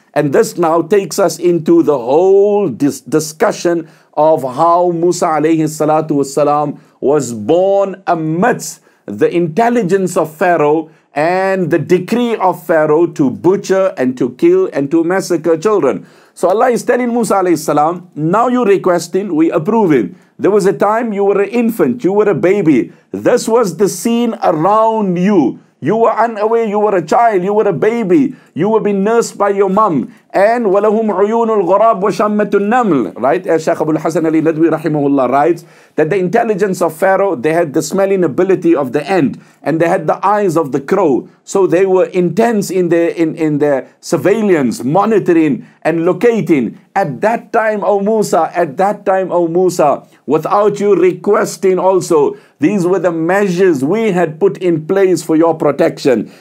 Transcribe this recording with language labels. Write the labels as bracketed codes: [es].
[en] And this now takes us into the whole discussion of how Musa alayhi salatu wasalam was born amidst the intelligence of Pharaoh and the decree of Pharaoh to butcher and to kill and to massacre children. So Allah is telling Musa alayhi salam, now you're requesting, we approve him. There was a time you were an infant, you were a baby. This was the scene around you. You were unaware, you were a child, you were a baby, you were being nursed by your mom. [ar] And وَلَهُمْ عُيُونُ الْغُرَابُ وَشَمَّةُ النَّمْلِ. [en] Right? As Shaykh Abu al-Hasan Ali Nadwi rahimahullah writes, that the intelligence of Pharaoh, they had the smelling ability of the ant, and they had the eyes of the crow. So they were intense in their surveillance, monitoring, and locating. At that time, O Musa, at that time, O Musa, without you requesting also, these were the measures we had put in place for your protection.